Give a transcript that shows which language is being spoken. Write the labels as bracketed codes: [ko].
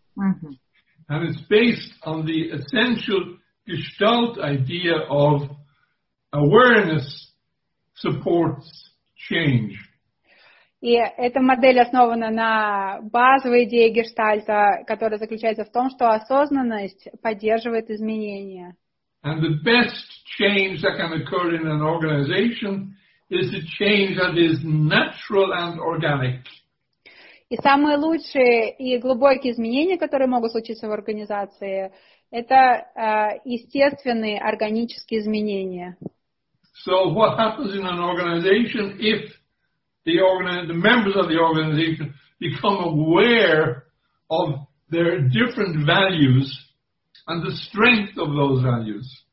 [en] And it's based on the essential gestalt idea of awareness supports change. [ru] И эта модель основана на базовой идее гештальта, которая заключается в том, что осознанность поддерживает изменения. [en] And the best change that can occur in an organization is the change that is natural and organic. [ru] И самые лучшие и глубокие изменения, которые могут случиться в организации, это естественные, органические изменения. [en] So what happens in an organization if the members of the organization become aware of their different values and the strength of those values?